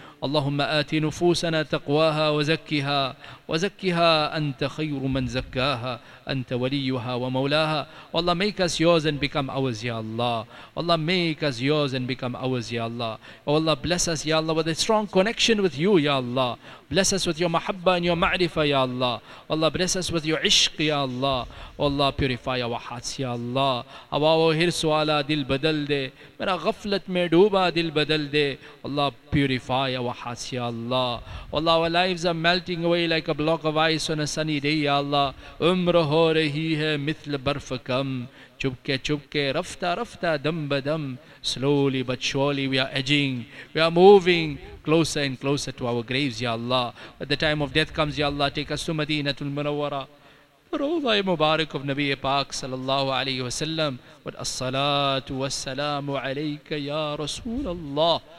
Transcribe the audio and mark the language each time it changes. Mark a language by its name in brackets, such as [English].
[Arabic] اللهم آتي نفوسنا تقواها وزكها وزكها أنت خير من زكاها أنت وليها ومولاها. [English] والله make us yours and become ours, Ya Allah. والله make us yours and become ours, Ya Allah. والله bless us, Ya Allah, with a strong connection with you, Ya Allah. Bless us with your mahabba and your ma'rifa, Ya Allah. والله bless us with your ishq, Ya Allah. والله purify our hearts, Ya Allah. [Urdu] اب آو حرص والا دل بدل دے میرا غفلت میں ڈوبا دل بدل دے. [English] والله purify our hearts, Ya Allah. والله our lives are melting away like a block of ice on a sunny day, Ya Allah. [Urdu] عمر ہو رہی ہے مثل برف کم چپکے چپکے رفتہ رفتہ دم بدم. [English] Slowly but surely we are edging, we are moving closer and closer to our graves, Ya Allah. At the time of death comes, Ya Allah, take us to Madinatul Munawwara. Rawdha Mubarak of Nabi Pak sallallahu alayhi wa sallam. [Arabic] What as-salatu was-salamu alayka ya Rasool Allah.